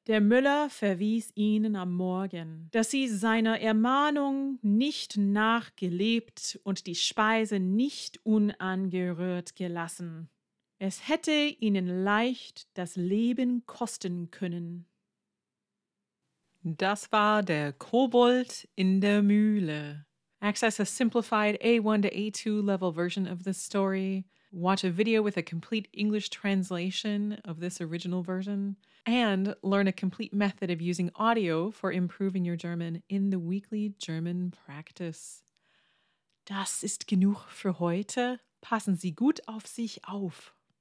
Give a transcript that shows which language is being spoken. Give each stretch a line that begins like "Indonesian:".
German: Der Müller verwies ihnen am Morgen, dass sie seiner Ermahnung nicht nachgelebt und die Speise nicht unangerührt gelassen. Es hätte ihnen leicht das Leben kosten können. Das war der Kobold in der Mühle.
English: Access a simplified A1 to A2 level version of this story. Watch a video with a complete English translation of this original version. And learn a complete method of using audio for improving your German in the weekly German practice.
German: Das ist genug für heute. Passen Sie gut auf sich auf.